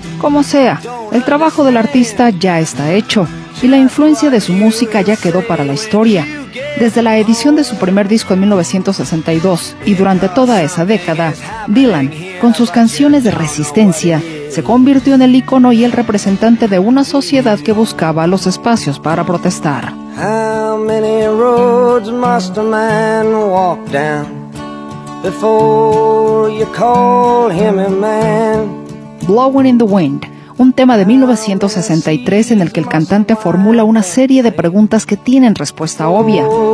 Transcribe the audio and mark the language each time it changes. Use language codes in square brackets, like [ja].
[es] Como sea, el trabajo del artista ya está hecho y la influencia de su música ya quedó para la historia. Desde la edición de su primer disco en 1962 y durante toda esa década, Dylan, con sus canciones de resistencia, se convirtió en el ícono y el representante de una sociedad que buscaba los espacios para protestar. [en] How many roads must a man walk down before you call him a man? [es] Blowing in the Wind, un tema de 1963 en el que el cantante formula una serie de preguntas que tienen respuesta obvia.